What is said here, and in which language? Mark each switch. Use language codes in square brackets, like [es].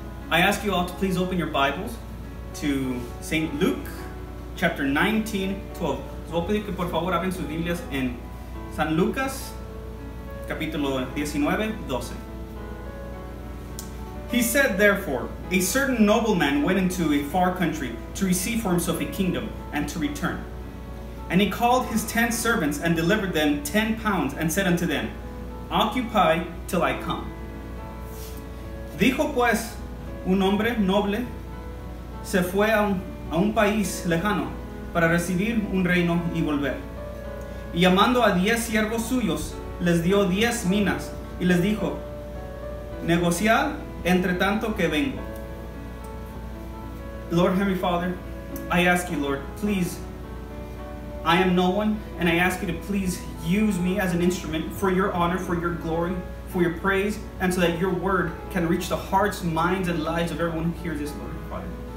[en] I ask you all to please open your Bibles to St. Luke chapter 19:12. [es] Voy a pedir que por favor abren sus Biblias en San Lucas capítulo 19:12. [en] He said, therefore, a certain nobleman went into a far country to receive for himself a kingdom and to return. And he called his 10 servants and delivered them 10 pounds and said unto them, occupy till I come. [es] Dijo pues, un hombre noble se fue a un país lejano para recibir un reino y volver. Y llamando a 10 siervos suyos, les dio 10 minas y les dijo, negociad entre tanto que vengo. [en] Lord Heavenly Father, I ask you, Lord, please, I am no one, and I ask you to please use me as an instrument for your honor, for your glory, for your praise, and so that your word can reach the hearts, minds, and lives of everyone who hears this, Lord, Father.